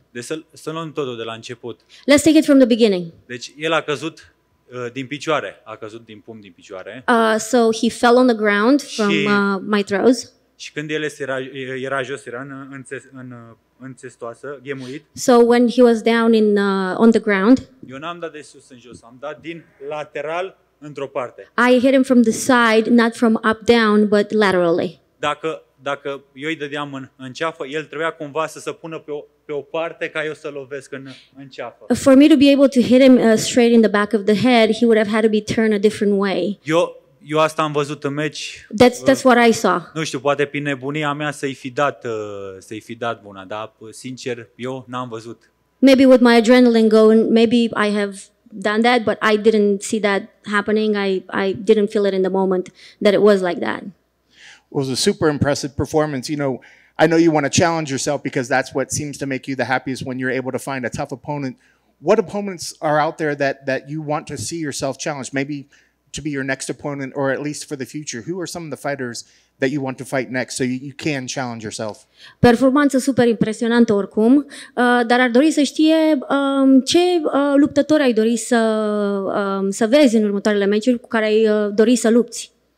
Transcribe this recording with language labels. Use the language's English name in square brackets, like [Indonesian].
[Romanian] Deci să luăm totul de la început. [English] Let's take it from the beginning. [Romanian] Deci el a căzut din picioare, a căzut din pumn din picioare. [English] So he fell on the ground from my throws. [Romanian] Și când el era jos, era în țestoasă, ghemuit. [English] So when he was down in on the ground. [Romanian] Eu n-am dat de sus în jos, am dat din lateral într-o parte. [English] I hit him from the side, not from up down, but laterally. [Romanian] Dacă eu îi dădeam în ceafă, el trebuia cumva să se pună pe o parte ca eu să lovesc în ceafă. [English] For me to be able to hit him straight in the back of the head, he would have had to be turned a different way. [Romanian] Eu asta am văzut în meci. [English] That's what I saw. [Romanian] Nu știu, poate prin nebunia mea să-i fi dat buna, dar sincer, eu n-am văzut. [English] Maybe with my adrenaline going, maybe I have done that, but I didn't see that happening. I didn't feel it in the moment that it was like that. It was a super impressive performance. You know, I know you want to challenge yourself because that's what seems to make you the happiest when you're able to find a tough opponent. What opponents are out there that you want to see yourself challenge? Maybe to be your next opponent, or at least for the future, who are some of the fighters that you want to fight next so you can challenge yourself? [Romanian] Performanță super impresionantă oricum, dar ar dori să știe ce luptători ai dori să vezi în următoarele meciuri cu care ai dori să lupți.